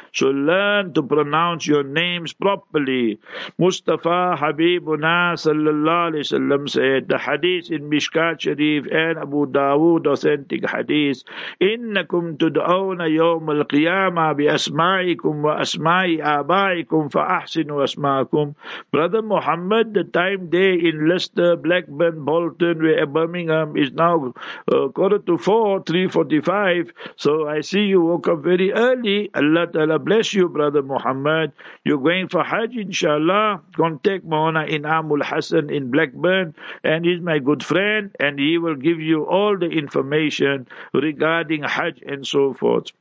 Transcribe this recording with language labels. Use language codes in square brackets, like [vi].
[en] So learn to pronounce your names properly. Mustafa Habibuna sallallahu alayhi wa sallam said, the hadith in Mishkat Sharif and Abu Dawood, authentic hadith, [ar] إِنَّكُمْ تُدْعَوْنَ يَوْمَ الْقِيَامَةِ بِأَسْمَائِكُمْ وَأَسْمَائِ آبائكم فأحسنوا أسماءكم. [en] Brother Muhammad, the time there in Leicester, Blackburn, Bolton, where Birmingham is now quarter to 4, 3:45. So I see you woke up very early. Allah Ta'ala bless you, Brother Muhammad. You're going for Hajj, inshallah. Contact Mona Inamul Hassan in Blackburn, and he's my good friend, and he will give you all the information regarding Hajj and so forth.